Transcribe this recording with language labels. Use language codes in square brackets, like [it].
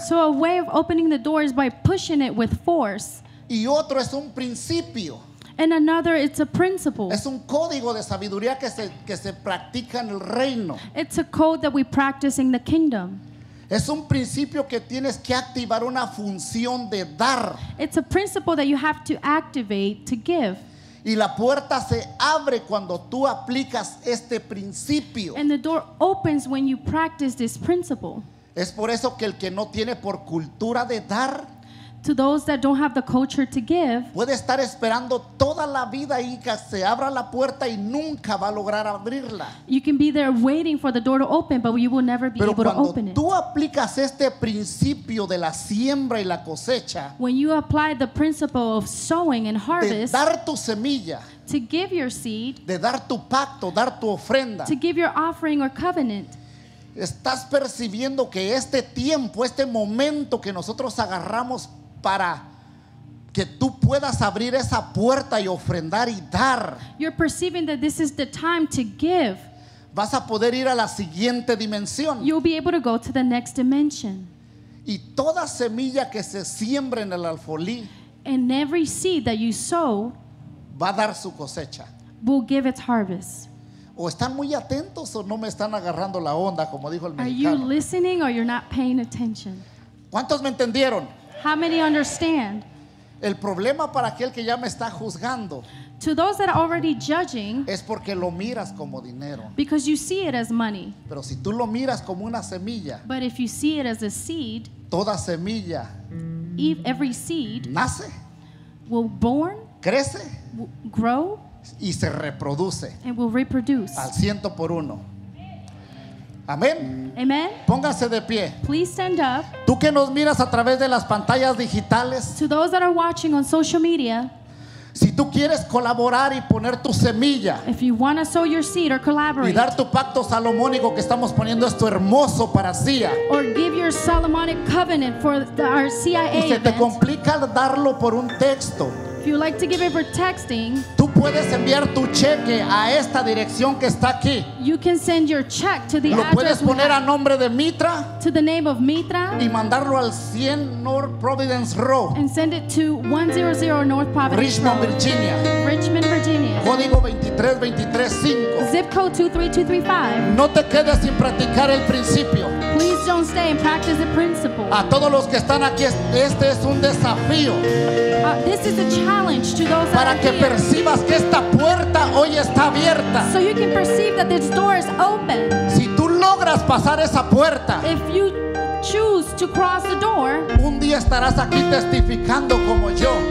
[en] So a way of opening the door is by pushing it with force. [es] Y otro es un principio. [en] And another, it's a principle. [es] Es un código de sabiduría que se practica en el reino. [en] It's a code that we practice in the kingdom. [es] Es un principio que tienes que activar una función de dar. [en] It's a principle that you have to activate to give. [es] Y la puerta se abre cuando tú aplicas este principio. [en] And the door opens when you practice this principle. [es] Es por eso que el que no tiene por cultura de dar, [en] to those that don't have the culture to give, [es] puede estar esperando toda la vida y que se abra la puerta y nunca va a lograr abrirla. [en] You can be there waiting for the door to open, but you will never be [es] Pero [en] able to open it. [es] Tú aplicas este principio de la siembra y la cosecha, [en] when you apply the principle of sowing and harvest, [es] de dar tu semilla, [en] to give your seed, [es] de dar tu pacto, dar tu ofrenda, [en] to give your offering or covenant, [es] estás percibiendo que este tiempo, este momento que nosotros agarramos para que tú puedas abrir esa puerta y ofrendar y dar, [en] you're perceiving that this is the time to give, [es] vas a poder ir a la siguiente dimensión. [en] You'll be able to go to the next dimension. [es] Y toda semilla que se siembra en el alfolí, [en] and every seed that you sow, [es] va a dar su cosecha, [en] will give its harvest. [es] O están muy atentos o no me están agarrando la onda, como dijo el mexicano. [en] Are you listening or you're not paying attention? [es] ¿Cuántos me entendieron? [en] How many understand? [es] El problema para aquel que ya me está juzgando, [en] to those that are already judging, [es] es porque lo miras como dinero, [en] because you see it as money. [es] Pero si tú lo miras como una semilla, [en] but if you see it as a seed, [es] toda semilla, [en] every seed, [es] nace, [en] will born, [es] crece, [en] grow, [es] y se reproduce, [en] and will reproduce, [es] al 100 por 1. Amén. [en] Amen. [es] Póngase de pie. [en] Please stand up. [es] Tú que nos miras a través de las pantallas digitales. [en] To those that are watching on social media. [es] Si tú quieres colaborar y poner tu semilla. [en] If you want to sow your seed or collaborate. [es] Y dar tu pacto salomónico que estamos poniendo esto hermoso para CIA. [en] Or give your Solomonic covenant for our CIA. [es] Y se te complica darlo por un texto. [en] If you like to give it for texting. [es] Tú puedes enviar tu cheque a esta dirección que está aquí. [en] You can send your check to the address. [es] Lo puedes poner a nombre de Mitra. [en] To the name of Mitra. [es] Y mandarlo al 100 North Providence Row. [en] And send it to 100 North Providence Richmond, Road. Virginia. Richmond, Virginia. [es] Código 23235. [en] Zip code 23235. [es] No te quedes sin practicar el principio. [en] Please don't stay and practice the principle. [es] A todos los que están aquí, este es un desafío. [en] This is a challenge to those [es] para [en] that are here. [es] Para que percibas que esta puerta hoy está abierta. [en] So you can perceive that this door is open. [es] Si tú logras pasar esa puerta. [en] If you choose to cross the door. [es] Un día estarás aquí testificando como yo.